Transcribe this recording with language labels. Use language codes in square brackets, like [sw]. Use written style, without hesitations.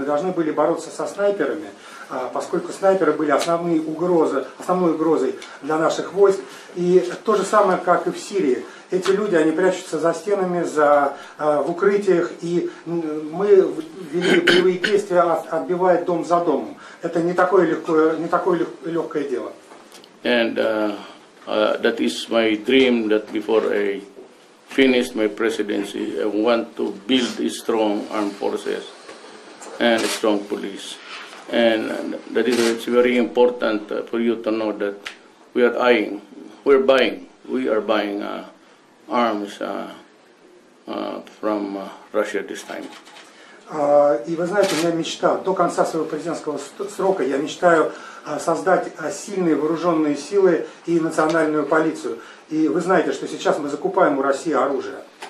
[ru] Мы должны были бороться со снайперами, поскольку снайперы были основной угрозой для наших войск. И то же самое, как и в Сирии. Эти люди, они прячутся за стенами, в укрытиях, и мы вели боевые действия, отбивая дом за домом. Это не такое легкое дело. [en] And that is my dream, that before I finish my presidency, I want to build a strong armed forces and a strong police. And that is very important for you to know that we are buying arms from Russia this time. [ru] И вы знаете, у меня мечта до конца своего президентского срока. Я мечтаю создать сильные вооруженные силы и национальную полицию. И вы знаете, что сейчас мы закупаем у России оружие.